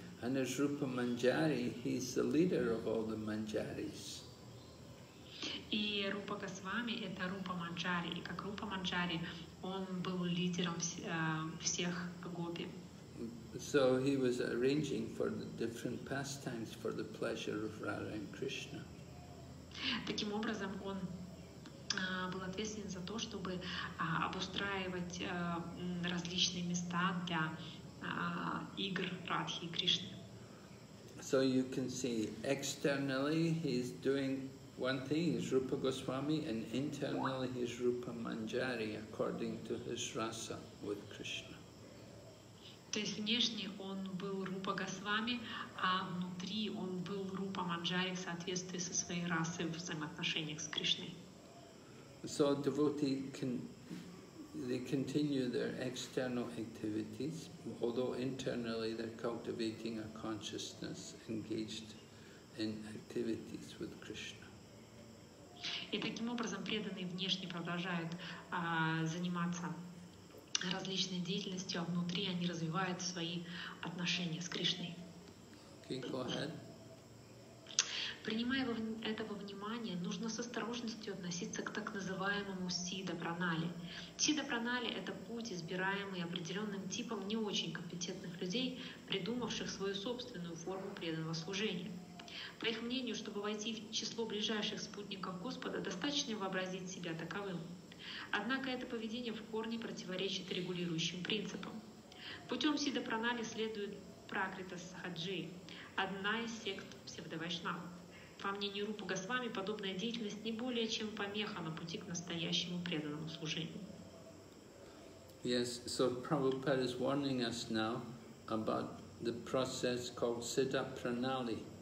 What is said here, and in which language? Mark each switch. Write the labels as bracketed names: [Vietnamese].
[English] And as Rupa Manjari, he's the leader of all the manjaris. [Russian] И Рупа Госвами — это Рупа Манджари, и как Рупа Манджари, он был лидером всех гопи. [English] So he was arranging for the different pastimes for the pleasure of Radha and Krishna. [Russian] Таким образом, он был ответственен за то, чтобы обустраивать различные места для игр Радхи и Кришны. [English] So you can see, externally he's doing one thing, he's Rupa Goswami, and internally he's Rupa Manjari, according to his rasa with Krishna. [Russian] То есть внешне он был Рупа Госвами, а внутри он был Рупа Манджари в соответствии со своей расой в взаимоотношениях с Кришной. [English] So devotee can they continue their external activities, although internally they're cultivating a consciousness engaged in activities with Krishna. [Russian] И таким образом преданные внешне продолжают заниматься различной деятельностью, а внутри они развивают свои отношения с Кришной. [English] Okay, go ahead. [Russian] Принимая этого внимания, нужно с осторожностью относиться к так называемому сиддха-пранали. Сиддха-пранали — это путь, избираемый определенным типом не очень компетентных людей, придумавших свою собственную форму преданного служения. По их мнению, чтобы войти в число ближайших спутников Господа, достаточно вообразить себя таковым. Однако это поведение в корне противоречит регулирующим принципам. Путем сиддха-пранали следует Пракрита Сахаджи, одна из сект псевдовайшнавов. По мнению Рупа Госвами, подобная деятельность не более чем помеха на пути к настоящему преданному служению. [English] Yes, so Prabhupada is warning us now about the process called Siddha Pranali.